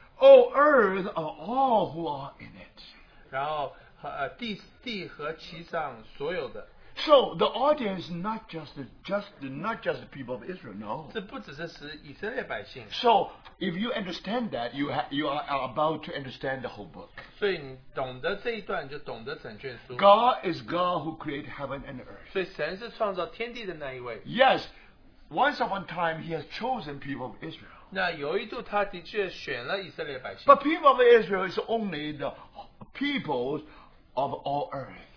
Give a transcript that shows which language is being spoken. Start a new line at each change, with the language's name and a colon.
English: Oh, earth of all who are in it.
Chinese: 然后, 地和其上所有的,
English: so the audience not just the people of Israel, no. So if you understand that, you are about to understand the whole book.
Chinese: 所以你懂得这一段就懂得整卷书。
English: God is God who created heaven and earth.
Chinese: 所以神是创造天地的那一位。
English: Yes, once upon a time he has chosen people of Israel.
Chinese: 那有一度他的确选了以色列百姓。
English: But people of Israel is only the people of all earth.